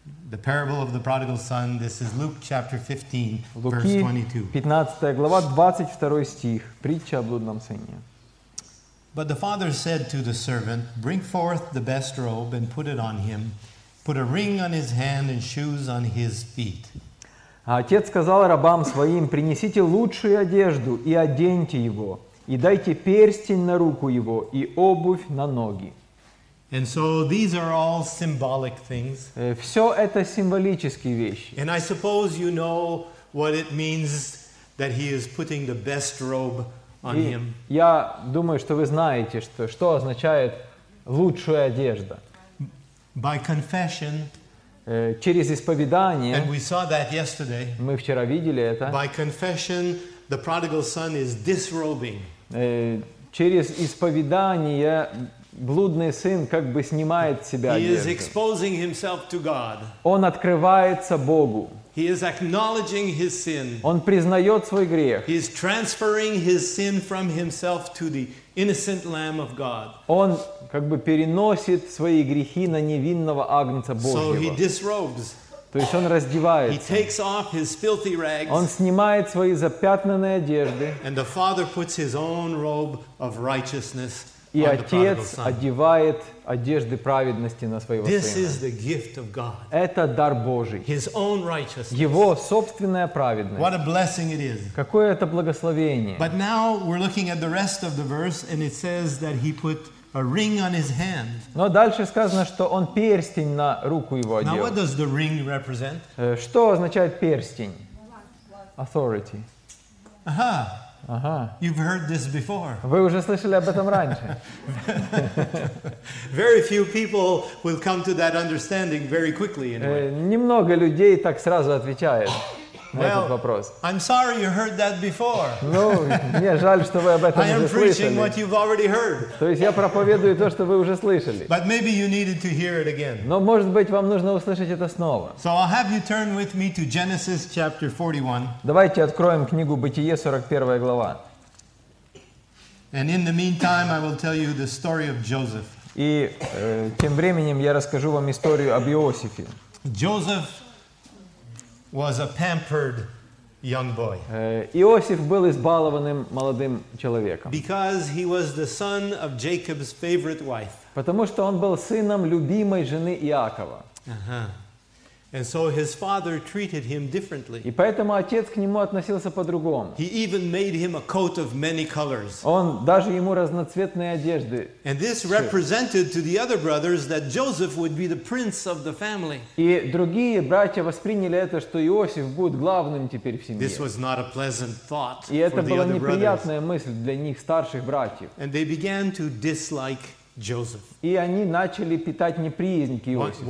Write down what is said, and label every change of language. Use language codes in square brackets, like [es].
[en] The parable of the prodigal son. This is Luke chapter 15, [ru] Луки, [en] verse 22. [ru] 15 глава, 22 стих. Притча о блудном сыне. [en] But the father said to the servant, "Bring forth the best robe and put it on him. Put a ring on his hand and shoes on his feet." [ru] Отец сказал рабам своим: принесите лучшую одежду и оденьте его, и дайте перстень на руку его и обувь на ноги. [en] And so these are all symbolic things. [ru] Все это символические вещи. [en] And I suppose you know what it means that he is putting the best robe on him. [ru] Я думаю, что вы знаете, что означает лучшая одежда. [en] By confession, [ru] через исповедание, [en] and we saw that yesterday, [ru] мы вчера видели это. [en] By confession, the prodigal son is disrobing. [ru] Через исповедание блудный сын как бы снимает с себя одежду. [en] He is exposing himself to God. [ru] Он открывается Богу. [en] He is acknowledging his sin. [ru] Он признает свой грех. [en] He is transferring his sin from himself to the innocent Lamb of God. [ru] Он как бы переносит свои грехи на невинного Агнца Божьего. [en] So he disrobes. [ru] То есть он раздевается. [en] He takes off his filthy rags. [ru] Он снимает свои запятнанные одежды. [en] And the father puts his own robe of righteousness on the prodigal son. [ru] И отец одевает одежды праведности на своего [en] this [ru] сына. [en] This is the gift of God. [ru] Это дар Божий. [en] His own righteousness. [ru] Его собственная праведность. [en] What a blessing it is. [ru] Какое это благословение. [en] But now we're looking at the rest of the verse, and it says that he put a ring on his hand. [ru] Но дальше сказано, что он перстень на руку его одел. [en] Now what does the ring represent? [ru] Что означает перстень? Authority. Aha. Ага. [en] You've heard this before. [ru] Вы уже слышали об этом раньше. [en] Very few people will come to that understanding very quickly. [ru] Немного людей так сразу отвечают. этот вопрос. [en] I'm sorry you heard that before. [ru] Ну, мне жаль, что вы об этом уже слышали. [en] I am preaching what you've already heard. [ru] То есть я проповедую то, что вы уже слышали. [en] But maybe you needed to hear it again. [ru] Но, может быть, вам нужно услышать это снова. [en] So I'll have you turn with me to Genesis chapter 41. [ru] Давайте откроем книгу Бытие, 41 глава. [en] And in the meantime, I will tell you the story of Joseph. [ru] И тем временем я расскажу вам историю об Иосифе. [en] Joseph was a pampered young boy. [ru] Иосиф был избалованным молодым человеком. [en] Because he was the son of Jacob's favorite wife. [ru] Потому что он был сыном любимой жены Иакова. [en] And so his father treated him differently. [ru] И поэтому отец к нему относился по-другому. [en] He even made him a coat of many colors. [ru] Он даже ему разноцветные одежды. [en] And this represented to the other brothers that Joseph would be the prince of the family. [ru] И другие братья восприняли это, что Иосиф будет главным теперь в семье. [en] This was not a pleasant thought for the other brothers. [ru] И это была неприятная мысль для них, старших братьев. [en] And they began to dislike Joseph. [ru] И они начали питать неприязнь к Иосифу.